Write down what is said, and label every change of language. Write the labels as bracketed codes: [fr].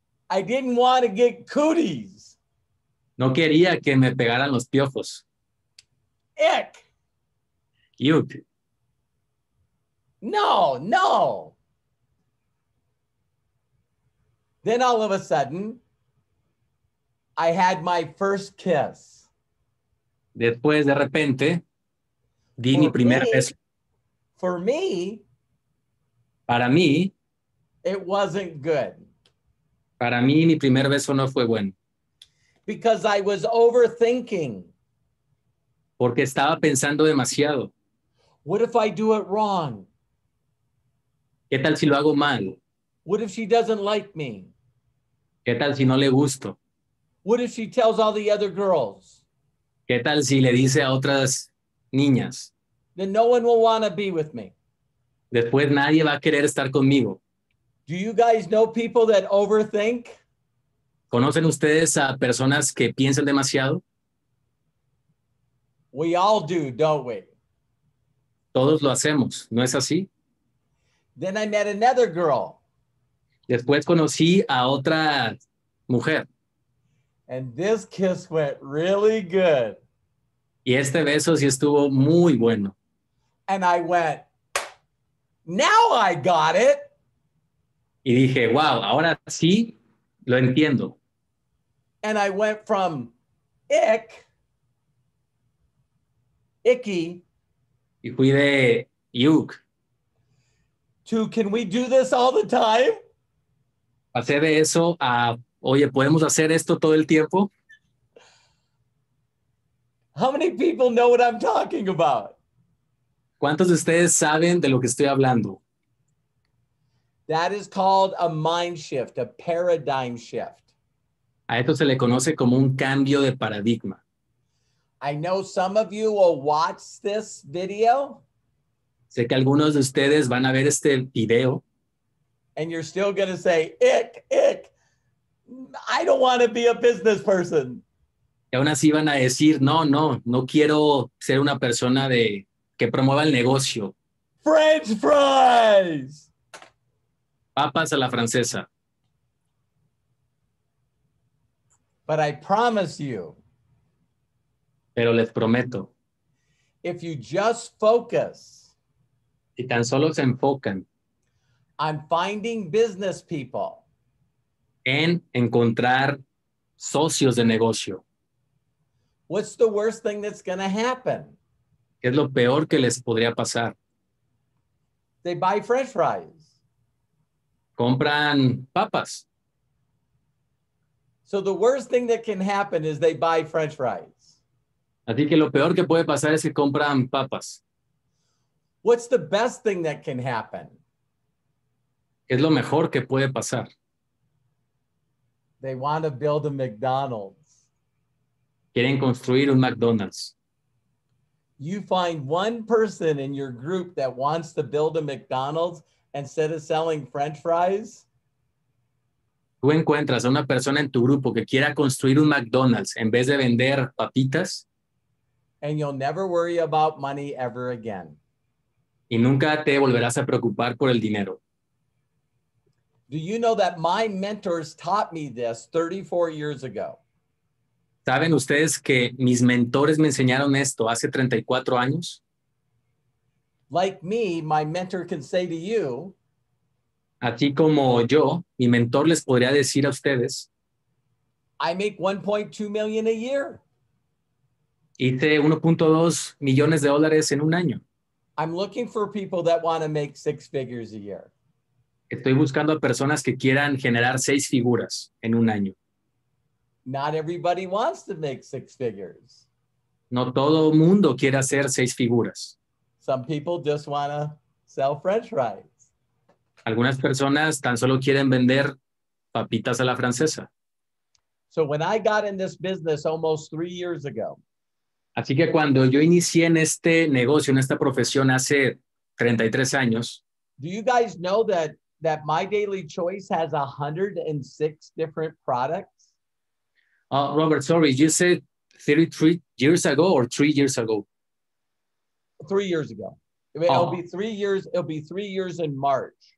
[en] I didn't want to get cooties. [es] No quería que me pegaran los piojos. [en] Ick. Yuck. No, no. Then all of a sudden, I had my first kiss. [es] Después, de repente, di mi primer beso. [en] For me, [es] para mí, [en] it wasn't good. [es] Para mí, mi primer beso no fue bueno. [en] Because I was overthinking. [es] Porque estaba pensando demasiado. [en] What if I do it wrong? [es] ¿Qué tal si lo hago mal? [en] What if she doesn't like me? [es] ¿Qué tal si no le gusto? [en] What if she tells all the other girls? [es] ¿Qué tal si le dice a otras niñas? [en] Then no one will want to be with me. [es] Después nadie va a querer estar conmigo. [en] Do you guys know people that overthink? [es] ¿Conocen ustedes a personas que piensan demasiado? [en] We all do, don't we? [es] Todos lo hacemos, ¿no es así? [en] Then I met another girl. [es] Después conocí a otra mujer. [en] And this kiss went really good. [es] Y este beso sí estuvo muy bueno. [en] And I went, now I got it. [es] Y dije, wow, ahora sí lo entiendo. [en] And I went from icky. [es] Y fui de yuk. [en] To can we do this all the time? [es] Pasé de eso a, oye, ¿podemos hacer esto todo el tiempo? [en] How many people know what I'm talking about? [es] ¿Cuántos de ustedes saben de lo que estoy hablando? [en] That is called a mind shift, a paradigm shift. [es] A esto se le conoce como un cambio de paradigma. [en] I know some of you will watch this video. [es] Sé que algunos de ustedes van a ver este video. [en] And you're still going to say, ick, ick, I don't want to be a business person. [es] Y aún así van a decir, no, no, no quiero ser una persona de que promueva el negocio. [en] French fries. [es] Papas a la francesa. [en] But I promise you. [es] Pero les prometo. [en] If you just focus. [es] Y tan solo se enfocan. [en] I'm finding business people. [es] En encontrar socios de negocio. [en] What's the worst thing that's going to happen? [es] ¿Qué es lo peor que les podría pasar? [en] They buy French fries. [es] Compran papas. [en] So the worst thing that can happen is they buy French fries. [es] Así que lo peor que puede pasar es que compran papas. [en] What's the best thing that can happen? [es] Es lo mejor que puede pasar. [en] They want to build a McDonald's. [es] Quieren construir un McDonald's. [en] You find one person in your group that wants to build a McDonald's instead of selling French fries. [es] Tú encuentras a una persona en tu grupo que quiera construir un McDonald's en vez de vender papitas. [en] And you'll never worry about money ever again. [es] Y nunca te volverás a preocupar por el dinero. [en] Do you know that my mentors taught me this 34 years ago? [es] ¿Saben ustedes que mis mentores me enseñaron esto hace 34 años? [en] Like me, my mentor can say to you, [es] así como yo, mi mentor les podría decir a ustedes, [en] I make 1.2 million a year. [es] Hice 1.2 millones de dólares en un año. [en] I'm looking for people that want to make six figures a year. [es] Estoy buscando a personas que quieran generar seis figuras en un año. [en] Not everybody wants to make six figures. [es] No todo mundo quiere hacer seis figuras. [en] Some people just want to sell French fries. [es] Algunas personas tan solo quieren vender papitas a la francesa. [en] So when I got in this business almost 3 years ago. [es] Así que cuando yo inicié en este negocio, en esta profesión hace 33 años. [en] Do you guys know that My Daily Choice has 106 different products? Robert, sorry, you said 33 years ago or 3 years ago? 3 years ago. It'll be three years in March.